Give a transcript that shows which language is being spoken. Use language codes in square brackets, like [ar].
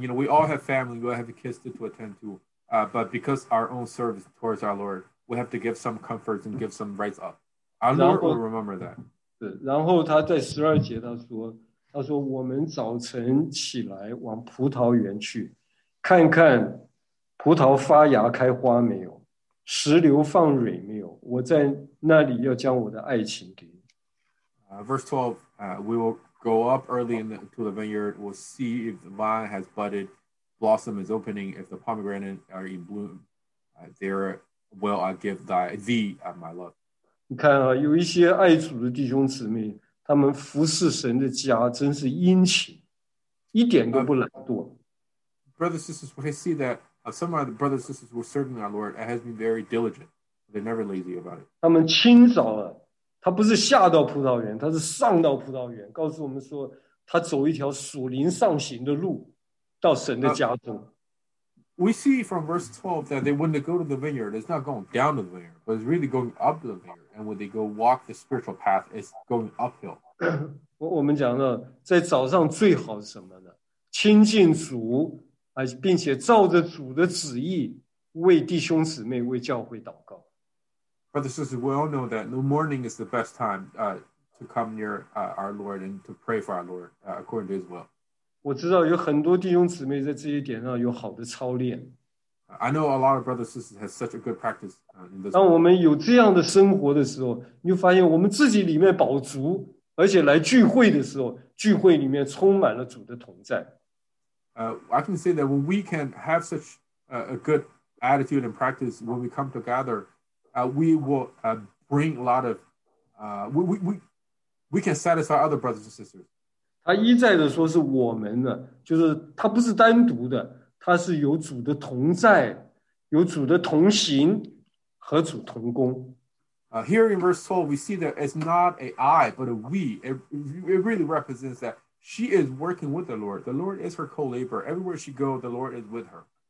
[en] You know, we all have family, we all have kids to attend to. But because our own service towards our Lord, we have to give some comforts and give some rights up. Our Lord will remember that. [zh] 然后他在十二节他说我们早晨起来往葡萄园去看看葡萄发芽开花没有石榴放蕊没有我在那里要将我的爱情给 [en] Verse 12, we will go up early into the vineyard. We'll see if the vine has budded, blossom is opening, if the pomegranate are in bloom. There will I give thee my love. [zh] 你看啊, 有一些爱主的弟兄姊妹, 他们服侍神的家真是殷勤, 一点都不懒惰。 [en] Brothers and sisters, we see that some of the brothers and sisters were serving our Lord. It has been very diligent. They're never lazy about it. [zh] 他们清早了, 他不是下到葡萄园, 他是上到葡萄园, 告诉我们说, 他走一条属灵上行的路, 到神的家中。 [en] We see from verse 12 that they, when they go to the vineyard, it's not going down to the vineyard, but it's really going up to the vineyard. And when they go walk the spiritual path, it's going uphill. [zh] 我们讲到, 在早上最好是什么呢?亲近主, 并且照着主的旨意, 为弟兄姊妹, 为教会祷告。 [en] Brothers and sisters, we all know that the morning is the best time to come near our Lord and to pray for our Lord according to His will. [zh] 我知道有很多弟兄姊妹在这一点上有好的操练。 [en] I know a lot of brothers and sisters have such a good practice in this. [zh] 当我们有这样的生活的时候，你会发现我们自己里面饱足，而且来聚会的时候，聚会里面充满了主的同在。 [en] I can say that when we can have such a good attitude and practice when we come together. We will bring a lot of, we can satisfy other brothers and sisters. [zh] 他一再的说是我们的, 就是他不是单独的, 他是有主的同在, 有主的同行, 和主同工。 [en] Here in verse 12, we see that it's not a I, but a we. It really represents that she is working with the Lord. The Lord is her co-laborer. Everywhere she goes, the Lord is with her.